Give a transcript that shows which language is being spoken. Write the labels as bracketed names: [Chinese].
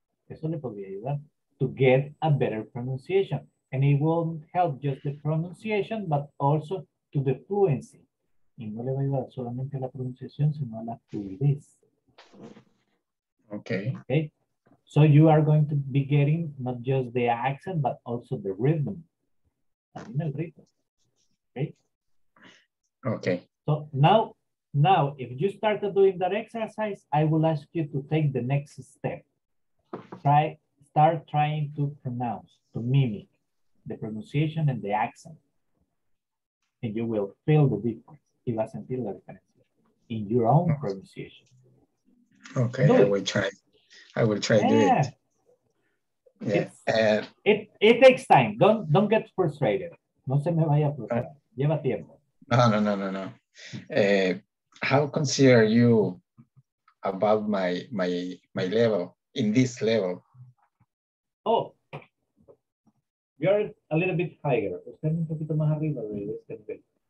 [Spanish] Eso le podría ayudar [English] to get a better pronunciation. And it will help just the pronunciation, but also to the fluency. [Spanish] Y no le va a ayudar solamente a la pronunciación, sino a la fluidez. [English] Okay. So you are going to be getting not just the accent, but also the rhythm. [Spanish] También el ritmo. Okay? [English] Okay. So now, if you started doing that exercise, I will ask you to take the next step. Start trying to pronounce, to mimic the pronunciation and the accent. And you will feel the difference. [Spanish] Y va a sentir la diferencia [English] in your own pronunciation. Okay, I will try. I will try to do it. Yeah. It takes time. Don't get frustrated. [Spanish] No se me vaya a frustrar. Lleva tiempo. No. [English] How consider you above my level, in this level? Oh, you're a little bit higher. [Spanish] Usted un poquito más arriba de este nivel.